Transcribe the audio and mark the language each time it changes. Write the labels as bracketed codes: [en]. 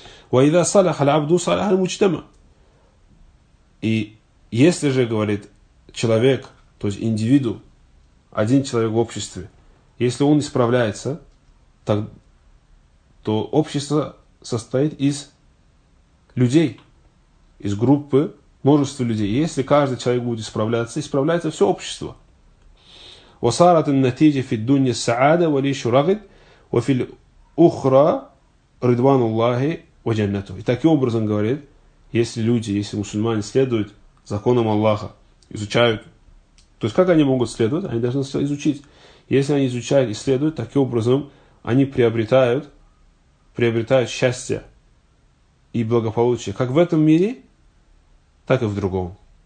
[ar] «Ва иза салях аль-абду салях аль-муджтама». [ru] И если же, говорит, человек, то есть индивиду, один человек в обществе, если он исправляется, то общество состоит из людей, из группы, множества людей. Если каждый человек будет исправляться, исправляется все общество. [ar] وصارت النتيجة في الدنيا السعادة وليش رغد وفي الأخرى رضوان الله وجنته. [ru] И таким образом говорит, если люди, если мусульмане следуют законам Аллаха, изучают, то есть как они могут следовать? Они должны изучить. Если они изучают и следуют, таким образом они приобретают счастье и благополучие как в этом мире, так и в другом.